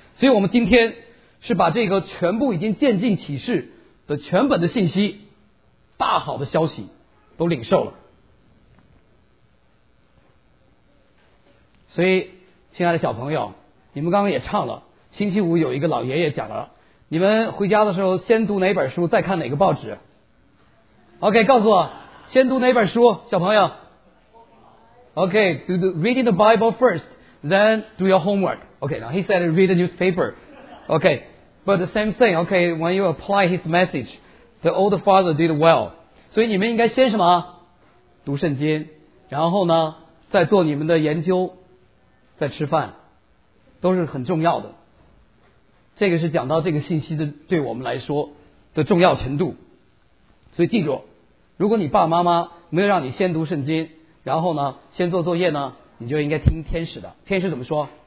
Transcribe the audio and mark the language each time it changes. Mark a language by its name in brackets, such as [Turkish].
[Chinese] 所以我们今天是把这个全部已经渐进启示的全本的信息，大好的消息都领受了。所以亲爱的小朋友，你们刚刚也唱了，星期五有一个老爷爷讲了，你们回家的时候先读哪本书再看哪个报纸？ OK， 告诉我先读哪本书，小朋友。 [English] Okay, do the reading the Bible first, then do your homework. Okay, now he said read the newspaper. Okay, but the same thing, okay, when you apply his message, the old father did well. [Chinese] 所以你们应该先什么？读圣经，然后呢，再做你们的研究，再吃饭，都是很重要的。这个是讲到这个信息的对我们来说的重要程度。所以记住，如果你爸妈妈没有让你先读圣经，然后呢先做作业呢，你就应该听天使的。天使怎么说？